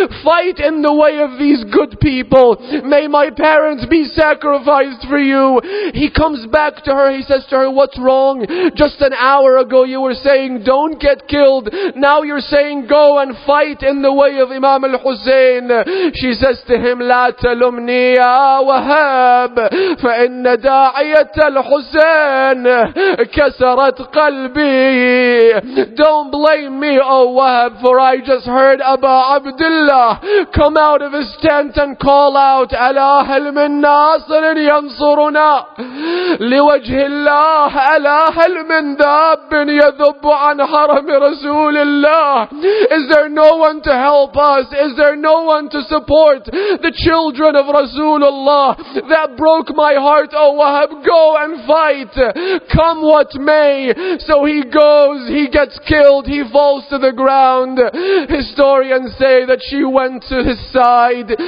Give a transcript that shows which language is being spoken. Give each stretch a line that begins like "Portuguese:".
English: Fight in the way of these good people. May my parents be sacrificed for you. He comes back to her. He says to her, "What's wrong? Just an hour ago you were saying, don't get killed. Now you're saying, go and fight in the way of Imam al-Hussein." She says to him,
Arabic: "لا تلمني يا وهاب فإن داعية الحسين كسرت قلبي."
English: Don't blame me, O Wahab, for I just heard Aba Abdullah come out of his tent and call out,
Arabic: أَلَا هَلْ مِنْ نَاصِرٍ يَنْصُرُنَا لِوَجْهِ اللَّهِ أَلَا هَلْ مِنْ ذَابٍ يَذُبُّ عَنْ حَرَمِ رَسُولِ اللَّهِ
English: Is there no one to help us? Is there no one to support the children of Rasulullah? That broke my heart, O Wahab, go and fight. Come what may. So he goes, he gets killed, he falls to the ground. Historians say that she went to his side.